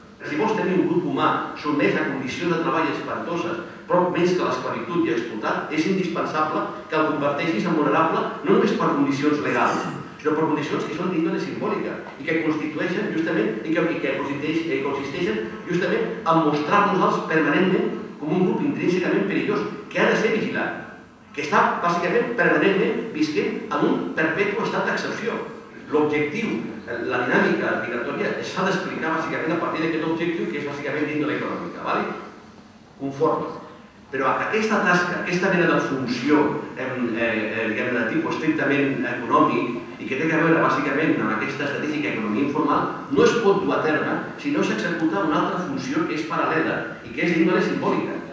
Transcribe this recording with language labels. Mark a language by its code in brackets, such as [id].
[ca] Si vols tenir un grup humà sotmès a condicions de treball espantoses, però més que l'esclavitud i explotat, és indispensable que el converteixis en vulnerable no només per condicions legals, sinó per condicions que són d'índole simbòlica i que constitueixen justament, i que consisteixen justament en mostrar-nos-els permanentment [es] como un grupo intrínsecamente peligroso, que ha de ser vigilado, que está básicamente permanentemente visquen en un perpetuo estado de excepción. [ca] L'objectiu, la dinàmica migratòria, s'ha d'explicar bàsicament a partir d'aquest objectiu, que és bàsicament d'índole econòmica, ¿vale? Conforme. Però aquesta tasca, aquesta mena de funció, de tipus estrictament econòmic, i que té a veure bàsicament amb aquesta estratègica economia informal, no es pot dur a terme si no s'executa una altra funció que és paral·lela i que és d'índole simbòlica.